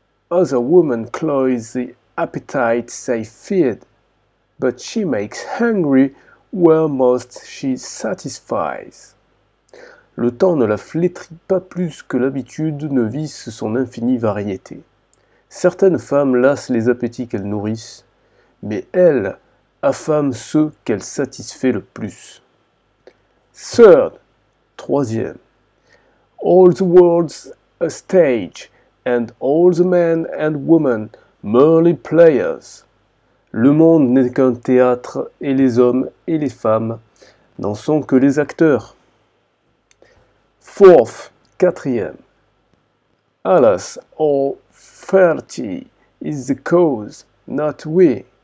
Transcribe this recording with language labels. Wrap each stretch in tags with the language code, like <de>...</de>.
<en>Other women cloy the appetite they feared, but she makes hungry where most she satisfies.</en> <fr>Le temps ne la flétrit pas plus que l'habitude ne visse son infinie variété. Certaines femmes lassent les appétits qu'elles nourrissent, mais elle affame ceux qu'elle satisfait le plus.</fr> <en>Third, troisième. All the world's a stage, and all the men and women merely players.</en> <fr>Le monde n'est qu'un théâtre, et les hommes et les femmes n'en sont que les acteurs.</fr> <en>Fourth, quatrième. Alas, all faulty is the cause, not we.</en>